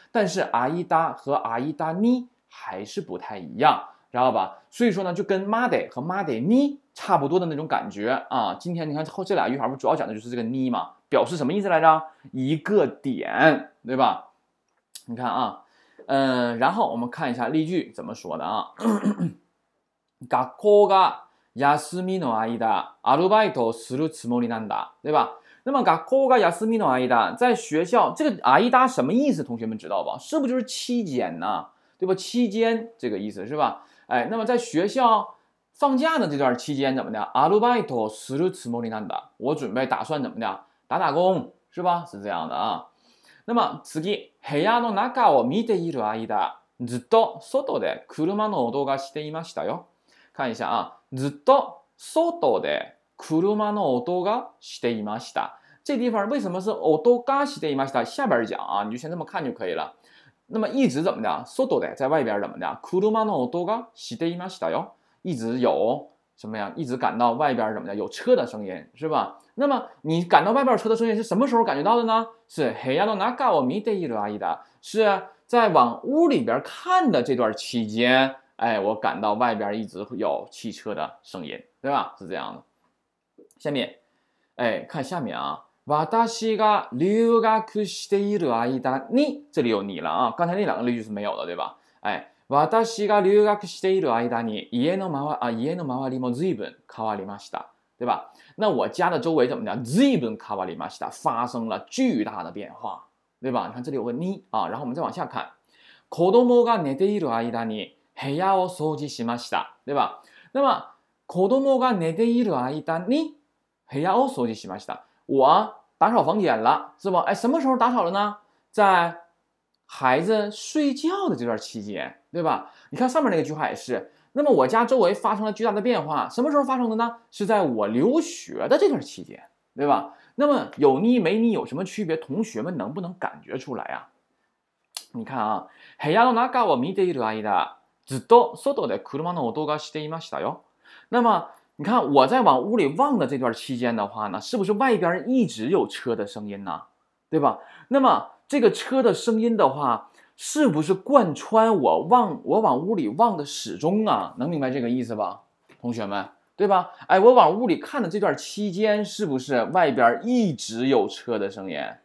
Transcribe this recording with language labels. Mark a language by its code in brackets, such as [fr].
[zh] 但是あいだ和あいだに还是不太一样，知道吧？所以说呢，就跟まで和まで に差不多的那种感觉啊。今天你看后这俩语法不主要讲的就是这个に嘛，表示什么意思来着？一个点，对吧？你看啊。然后我们看一下例句怎么说的啊。 [ja] 学校が休みの間アルバイトをするつもりなんだ， [zh] 对吧？那么 [ja] 学校が休みの間， [zh] 在学校，这个間什么意思？同学们知道吧？是不是就是期间呢？对吧？期间这个意思是吧？哎，那么在学校放假的这段期间怎么的？ [ja] アルバイトをするつもりなんだ， [zh] 我准备打算怎么的？打打工是吧？是这样的啊。那么 [ja] 次，部屋の中を見ている間、ずっと外で車の音がしていましたよ。 [zh] 看一下啊， [ja] ずっと外で車の音がしていました。 [zh] 这地方为什么是 [ja] 音がしていました？ [zh] 下边讲啊，你就先这么看就可以了。那么一直怎么的？ [ja] 外で [zh] 在外边怎么的？ [ja] 車の音がしていましたよ。 [zh] 一直有什么呀？一直感到外边怎么的？有车的声音是吧？那么你感到外边车的声音是什么时候感觉到的呢？是 [ja] 部屋の中を見ている間， [zh] 是在往屋里边看的这段期间，哎，我感到外边一直有汽车的声音，对吧？是这样的。下面，哎，看下面啊， [ja] 私が留学している間に， [zh] 这里有你了啊，刚才那两个例句是没有的，对吧？ [ja] 哎，私が留学している間に家の周り、家の周りも随分変わりました。 [zh] 对吧？那我家的周围怎么讲？ [ja] 随分変わりました， [zh] 发生了巨大的变化，对吧？你看这里有个に啊，然后我们再往下看， [ja] 子供が寝ている間に部屋を掃除しました， [zh] 对吧？ [ja] 那么子供が寝ている間に部屋を掃除しました， [zh] 我打扫房间了，是吧？哎，什么时候打扫了呢？在孩子睡觉的这段期间，对吧？你看上面那个句话也是。那么我家周围发生了巨大的变化，什么时候发生的呢？是在我留学的这段期间，对吧？那么有你没你有什么区别？同学们能不能感觉出来啊？你看啊， [ja] 部屋の中を見ている間、ずっと外で車の音がしていましたよ。 [zh] 那么你看我在往屋里望的这段期间的话呢，是不是外边一直有车的声音呢？对吧？那么这个车的声音的话，是不是贯穿我往屋里望的始终啊？能明白这个意思吧，同学们，对吧？哎，我往屋里看的这段期间，是不是外边一直有车的声音？